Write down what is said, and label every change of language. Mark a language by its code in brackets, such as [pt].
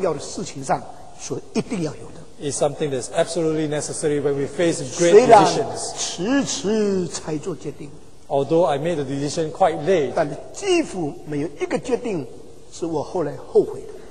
[zh] 是特别在应付重大重要的事情上所一定要有的, [en] is something that's absolutely necessary when we face great decisions. [zh] 迟迟才做决定, [en] although I made the decision quite late, [zh] 但几乎没有一个决定是我后来后悔的,